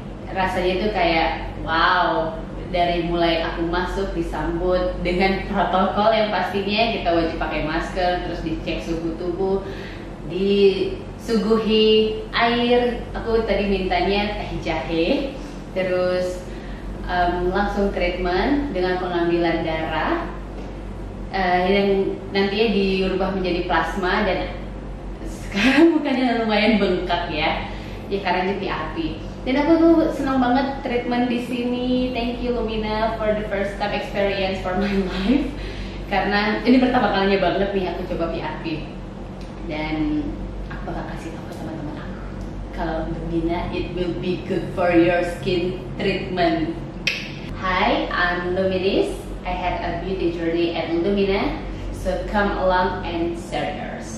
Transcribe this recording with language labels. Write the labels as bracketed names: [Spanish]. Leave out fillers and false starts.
[Indonesian] Rasanya itu kayak wow, dari mulai aku masuk disambut dengan protokol yang pastinya kita wajib pakai masker, terus dicek suhu tubuh, disuguhi air, aku tadi mintanya teh jahe, terus langsung treatment dengan pengambilan darah yang nantinya diubah menjadi plasma, dan sekarang mukanya lumayan bengkak ya, ya karena jadi api. Dan aku tuh senang banget treatment di sini. [English] Thank you Lumina for the first time experience for my life. [Indonesian] Karena ini pertama kalinya banget nih aku coba PRP. Dan aku bakal kasih tau ke teman-teman aku. Kalau [English] Lumina, it will be good for your skin treatment. Hi, I'm Luminis. I had a beauty journey at Lumina. So come along and share yours.